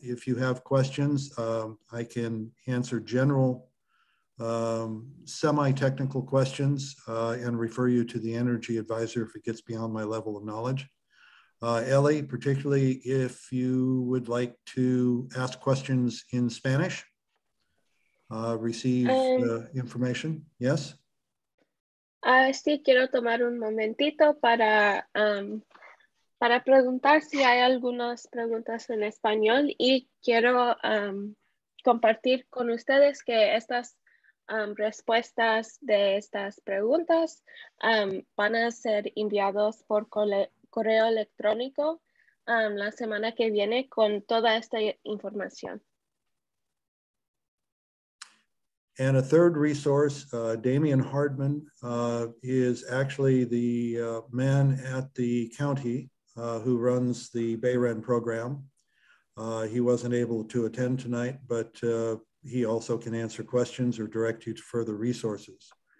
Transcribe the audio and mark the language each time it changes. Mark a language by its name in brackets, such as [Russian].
[English] If you have questions, I can answer general semi-technical questions and refer you to the energy advisor if it gets beyond my level of knowledge. Ellie, particularly if you would like to ask questions in Spanish, receive the information. Yes? [Spanish] Sí, quiero tomar un momentito para para preguntar si hay algunas preguntas en español y quiero compartir con ustedes que estas respuestas de estas preguntas van a ser enviados por correo electrónico la semana que viene con toda esta información. [English] And a third resource, Damian Hardman is actually the man at the county who runs the BayREN program. He wasn't able to attend tonight, but he also can answer questions or direct you to further resources.